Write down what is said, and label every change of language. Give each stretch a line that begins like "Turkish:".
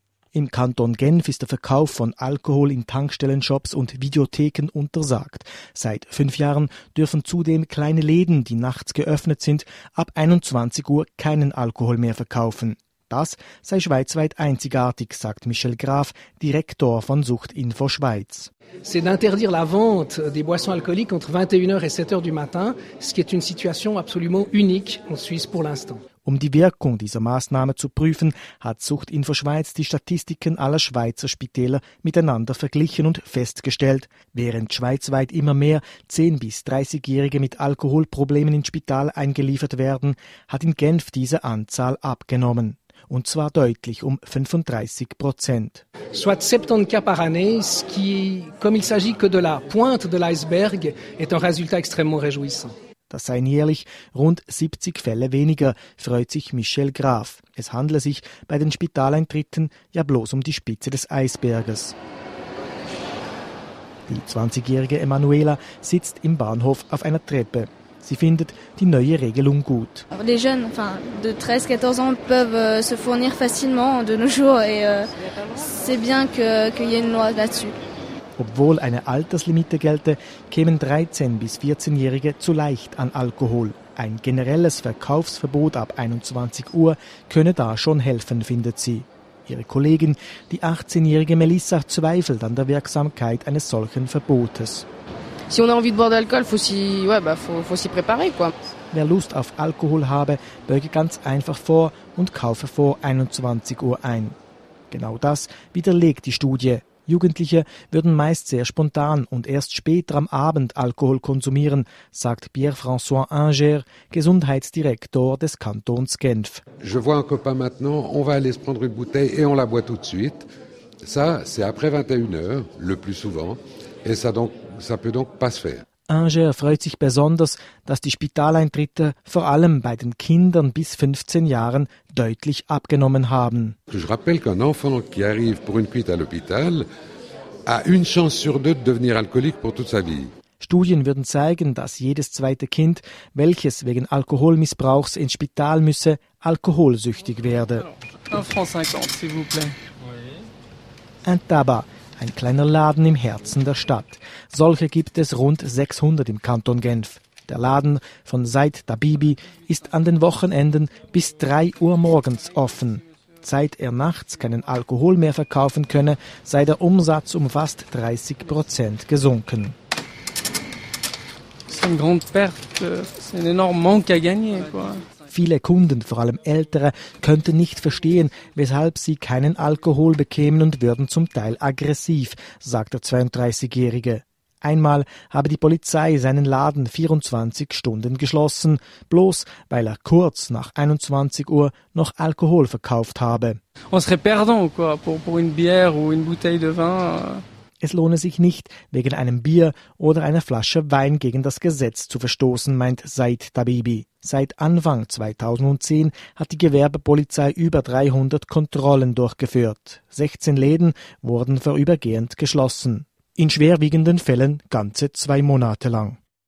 German: Im Kanton Genf ist der Verkauf von Alkohol in Tankstellenshops und Videotheken untersagt. Seit 5 Jahren dürfen zudem kleine Läden, die nachts geöffnet sind, ab 21 Uhr keinen Alkohol mehr verkaufen. Das sei schweizweit einzigartig, sagt Michel Graf, Direktor von Suchtinfo Schweiz.
French: C'est d'interdire la vente des boissons alcooliques entre 21h et 7h du matin, ce qui est une situation absolument unique en Suisse pour l'instant.
German: Um die Wirkung dieser Maßnahme zu prüfen, hat Suchtinfo Schweiz die Statistiken aller Schweizer Spitäler miteinander verglichen und festgestellt. Während schweizweit immer mehr 10- bis 30-Jährige mit Alkoholproblemen ins Spital eingeliefert werden, hat in Genf diese Anzahl abgenommen. Und zwar deutlich um 35%.
French: Soit 70 cas par année, ce qui, comme il s'agit que de la pointe de l'iceberg, est un résultat extrêmement réjouissant.
German: Das seien jährlich rund 70 Fälle weniger, freut sich Michel Graf. Es handle sich bei den Spitaleintritten ja bloß um die Spitze des Eisberges. Die 20-jährige Emanuela sitzt im Bahnhof auf einer Treppe. Sie findet die neue Regelung gut.
French: Les jeunes, enfin, de 13-14 ans peuvent se fournir facilement de nos jours et c'est bien qu'il y ait une loi là-dessus.
German: Obwohl eine Alterslimite gelte, kämen 13- bis 14-Jährige zu leicht an Alkohol. Ein generelles Verkaufsverbot ab 21 Uhr könne da schon helfen, findet sie. Ihre Kollegin, die 18-jährige Melissa, zweifelt an der Wirksamkeit eines solchen Verbotes.
French: Si on a envie de boire de l'alcool, faut s'y préparer, quoi.
German: Wer Lust auf Alkohol habe, beuge ganz einfach vor und kaufe vor 21 Uhr ein. Genau das widerlegt die Studie. Jugendliche würden meist sehr spontan und erst später am Abend Alkohol konsumieren, sagt Pierre-François Inger, Gesundheitsdirektor des Kantons Genf.
French: Je vois un copain maintenant, on va aller se prendre une bouteille et on la boit tout de suite. Ça, c'est après 21 heures, le plus souvent, et ça donc ça peut donc pas se faire.
German: Inger freut sich besonders, dass die Spitaleintritte vor allem bei den Kindern bis 15 Jahren deutlich abgenommen haben.
French: Je rappelle qu'un enfant qui arrive pour une cuite à l'hôpital a une chance sur deux de devenir alcoolique pour toute sa vie.
German: Studien würden zeigen, dass jedes zweite Kind, welches wegen Alkoholmissbrauchs ins Spital müsse, alkoholsüchtig werde.
French: Un franc 50, s'il vous plaît. Un tabac.
German: Ein kleiner Laden im Herzen der Stadt. Solche gibt es rund 600 im Kanton Genf. Der Laden von Said Tabibi ist an den Wochenenden bis 3 Uhr morgens offen. Seit er nachts keinen Alkohol mehr verkaufen könne, sei der Umsatz um fast 30% gesunken. Das ist eine große Perte. Das ist ein enormer
French: Manque à gagner, quoi.
German: Viele Kunden, vor allem Ältere, könnten nicht verstehen, weshalb sie keinen Alkohol bekämen und würden zum Teil aggressiv, sagt der 32-Jährige. Einmal habe die Polizei seinen Laden 24 Stunden geschlossen, bloß weil er kurz nach 21 Uhr noch Alkohol verkauft habe.
French: On serait perdant, quoi, pour une bière ou une bouteille de vin.
German: Es lohne sich nicht, wegen einem Bier oder einer Flasche Wein gegen das Gesetz zu verstoßen, meint Said Tabibi. Seit Anfang 2010 hat die Gewerbepolizei über 300 Kontrollen durchgeführt. 16 Läden wurden vorübergehend geschlossen. In schwerwiegenden Fällen ganze 2 Monate lang.